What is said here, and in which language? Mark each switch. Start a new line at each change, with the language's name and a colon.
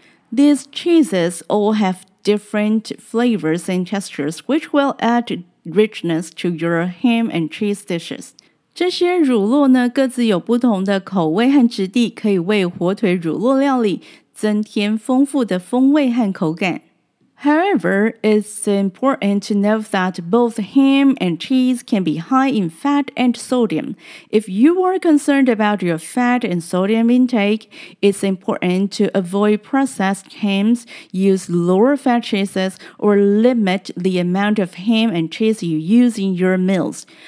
English: These cheeses all have different flavors and textures, which will add richness to your ham and cheese dishes.
Chinese: 这些乳酪呢各自有不同的口味和质地可以为火腿乳酪料理增添丰富的风味和口感。
English: However, it's important to note that both ham and cheese can be high in fat and sodium. If you are concerned about your fat and sodium intake, it's important to avoid processed hams, use lower fat cheeses, or limit the amount of ham and cheese you use in your meals.